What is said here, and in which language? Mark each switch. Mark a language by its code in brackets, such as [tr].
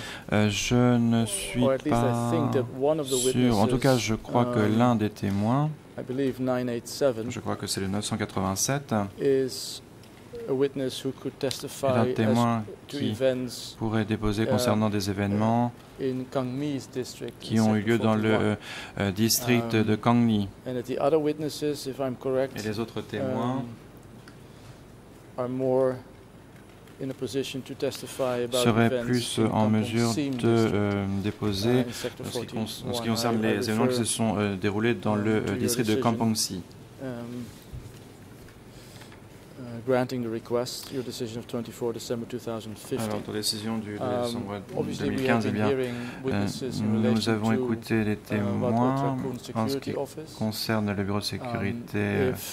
[fr] Je ne suis pas sûr, en tout cas je crois que l'un des témoins, je crois que c'est le 987, est un témoin qui pourrait déposer concernant des événements [en] in Gangmi's district, [fr] qui ont eu lieu dans le district de Gangmi. [en] And the other witnesses, if I'm correct, [fr] et les autres témoins [en] are more in a position to testify about [fr] seraient plus en mesure de déposer en ce qui concerne les événements qui se sont déroulés dans le district de Kampong Si. [en] Granting the request, your decision of 24 December 2015. [fr] Alors, ta décision du décembre 2015, eh bien, nous avons écouté les témoins en ce qui concerne le bureau de sécurité